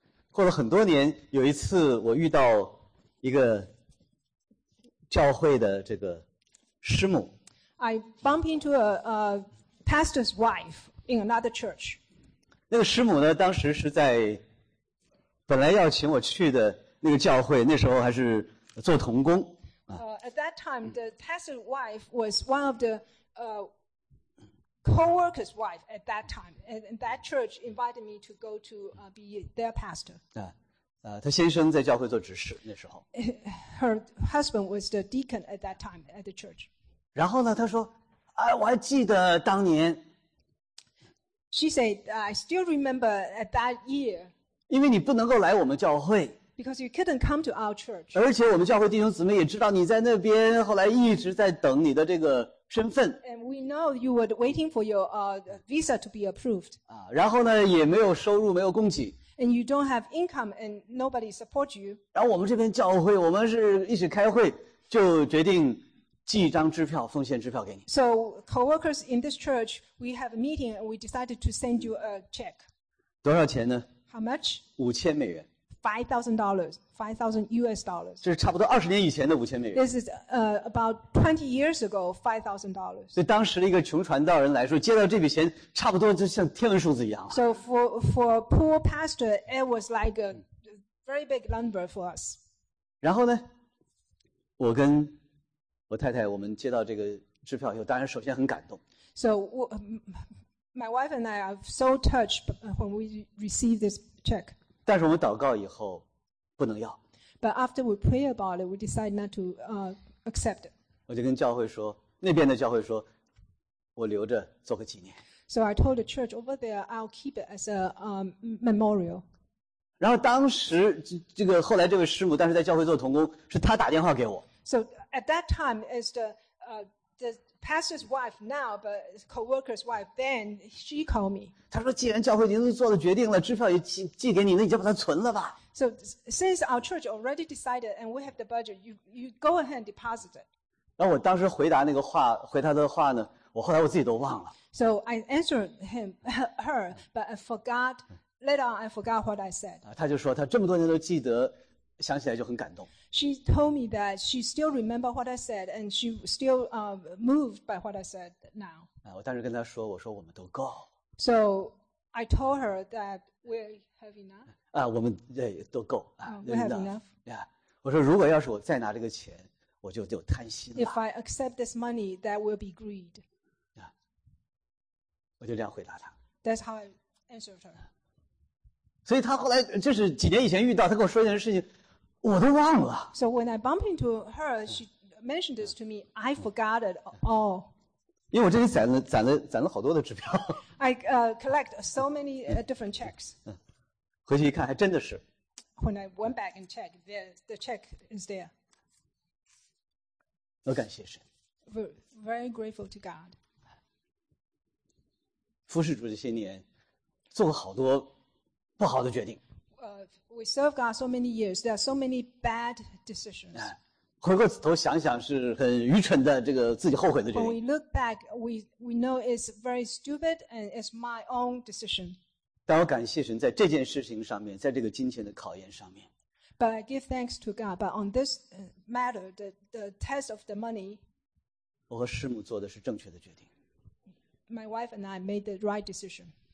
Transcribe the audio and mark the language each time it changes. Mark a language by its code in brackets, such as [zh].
[zh] 过了很多年，有一次我遇到一个教会的这个师母。 [en] I bump into a pastor's wife in another church. [zh] 那个师母呢，当时是在本来要请我去的那个教会，那时候还是做童工。 [en] At that time, the pastor's wife was one of the co-workers' wife at that time, and that church invited me to go to be their pastor. [zh] 她先生在教会做执事那时候。 [en] Her husband was the deacon at that time at the church. [zh] 然后呢，她说，哎，我还记得当年。 [en] She said, "I still remember at that year." [zh] 因为你不能够来我们教会。 [en] Because you couldn't come to our church. [zh] 而且我们教会弟兄姊妹也知道你在那边，后来一直在等你的这个身份。 [en] And we know you were waiting for your visa to be approved. [zh] 然后呢，也没有收入，没有供给。 [en] And you don't have income, and nobody supports you. [zh] 然后我们这边教会，我们是一起开会，就决定。寄一张支票，奉献支票给你。 [en] So co-workers in this church, we have a meeting and we decided to send you a check. [zh] 多少钱呢 [en] ？How much？ [zh] 5000美元。 [en] $5,000, $5,000. [zh] 这是差不多二十年以前的五千美元。 [en] This is about 20 years ago, $5,000. [zh] 对当时的一个穷传道人来说，接到这笔钱，差不多就像天文数字一样。 [en] So for a poor pastor, it was like a very big number for us. [zh] 然后呢，我跟我太太，我们接到这个支票以后，当然首先很感动。 [en] So, my wife and I are so touched when we receive this check. [zh] 但是我们祷告以后，不能要。 [en] But after we pray about it, we decide not to accept it. [zh] 我就跟教会说，那边的教会说，我留着做个纪念。 [en] So I told the church over there, I'll keep it as a memorial. [zh] 然后当时这个后来这位师母，当时在教会做童工，是她打电话给我。 [en] So at that time, it's the pastor's wife now, but co-worker's wife then, she called me. [zh] 她说既然教会已经做了决定了，支票也寄给你，那你就把它存了吧。 [en] So since our church already decided and we have the budget, you go ahead and deposit it. [zh] 然后我当时回答那个话，回他的话呢，我后来我自己都忘了。 [en] So I answered her, but I forgot, later on I forgot what I said. [zh] 她就说她这么多年都记得想起来就很感动。 [en] She told me that she still remember what I said, and she still moved by what I said now. [zh] 我当时跟她说，我说我们都够。 [en] So I told her that we have enough. [zh] 我们对都够。 [en] We have enough. [zh] Yeah. 我说如果要是我再拿这个钱，我就有贪心了。 [en] If I accept this money, that will be greed. [zh] 我就这样回答他。 [en] That's how I answered her. [zh] 所以他后来就是几年以前遇到，他跟我说一件事情，我都忘了。 [en] So when I bump into her, she mentioned this to me. I forgot it all. [zh] 因为我这里攒了好多的支票。 [en] I collect so many different checks. [zh] 回去一看，还真的是。 [en] When I went back and checked, the check is there. [zh] 我感谢神。 [en] Very grateful to God. [zh] 服侍主这些年，做过好多不好的决定。 [en] We serve God so many years. There are so many bad decisions. [zh] 回过头想想是很愚蠢的，这个自己后悔的决定。 [en] When we look back, we know it's very stupid and it's my own decision. [zh] 但我感谢神在这件事情上面，在这个金钱的考验上面。 [en] But I give thanks to God. But on this matter, the test of the money. [zh] 我和师母做的是正确的决定。 [en] My wife and I made the right decision.